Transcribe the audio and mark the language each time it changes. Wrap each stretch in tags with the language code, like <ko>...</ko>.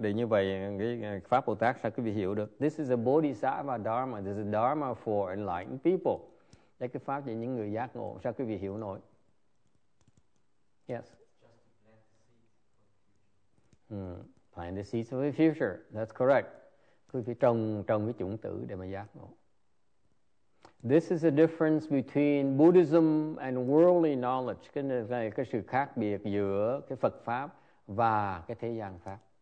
<vi>Để như vậy cái pháp Bồ Tát sao quý vị hiểu được?</vi> <en>This is a Bodhisattva Dharma. This is a Dharma for enlightened people.</en> <vi>Đây cái pháp cho những người giác ngộ. Sao quý vị hiểu nổi?</vi> <en>Yes. Plant the seeds of the future. That's correct.</en> <vi>Quý vị trồng cái chủng tử để mà giác ngộ.</vi> <en>This is the difference between Buddhism and worldly knowledge.</en> <vi>Cái sự khác biệt giữa cái Phật pháp và cái thế gian pháp.</vi>